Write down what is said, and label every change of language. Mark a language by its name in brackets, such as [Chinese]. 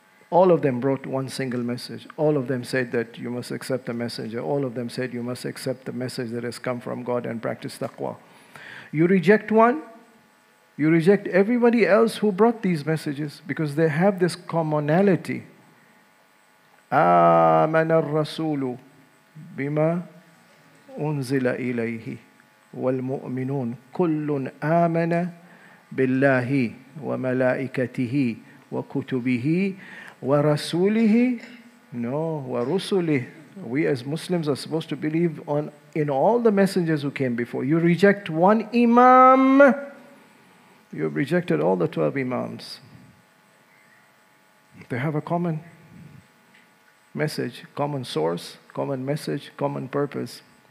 [English] All of them brought one single message. All of them said that you must accept the messenger. All of them said you must accept the message that has come from God and practice taqwa. You reject one, you reject everybody else who brought these messages because they have this commonality. [Arabic] آمن الرسول بما أنزل إليه والمؤمنون كل آمن بالله وملائكته وكتبه ورسوله no ورسله. [English] We as Muslims are supposed to believe in all the messengers who came before. You reject one imam, you have rejected all the 12 imams. They have a common message, common source, common message, common purpose.